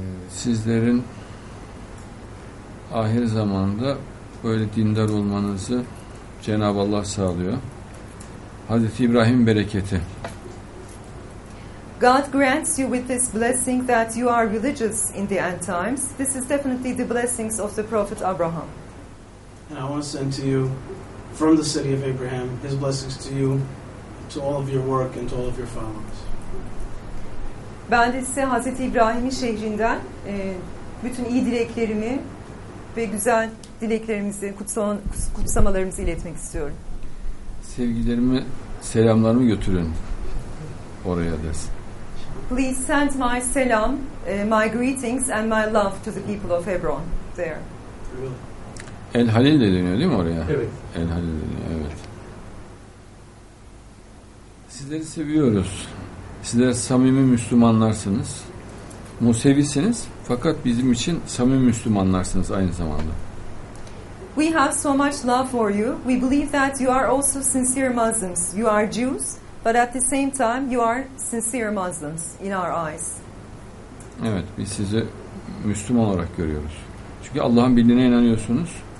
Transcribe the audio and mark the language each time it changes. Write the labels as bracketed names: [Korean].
[Turkish] Sizlerin ahir zamanda böyle dindar olmanızı Cenab-ı Allah sağlıyor. Hazreti İbrahim bereketi. [English] God grants you with this blessing that you are religious in the end times. This is definitely the blessings of the prophet Abraham. And I want to send to you from the city of Abraham his blessings to you, to all of your work and to all of your followers. [Turkish] Ben de size Hazreti İbrahim'in şehrinden bütün iyi dileklerimi ve güzel dileklerimizi, kutsamalarımızı iletmek istiyorum. Sevgilerimi, selamlarımı götürün oraya desin. [English] Please send my salam, my greetings and my love to the people of Hebron there. [Turkish] El Halil de dönüyor değil mi oraya? Evet. El Halil de dönüyor, evet. Sizleri seviyoruz. Sizler samimi Müslümanlarsınız. Musevisiniz fakat bizim için samimi Müslümanlarsınız aynı zamanda. [English] We have so much love for you. We believe that you are also sincere Muslims. You are Jews. But at the same time, you are sincere Muslims in our eyes. [Turkish] Evet, biz sizi Müslüman olarak görüyoruz. Çünkü Allah'ın birliğine inanıyorsunuz.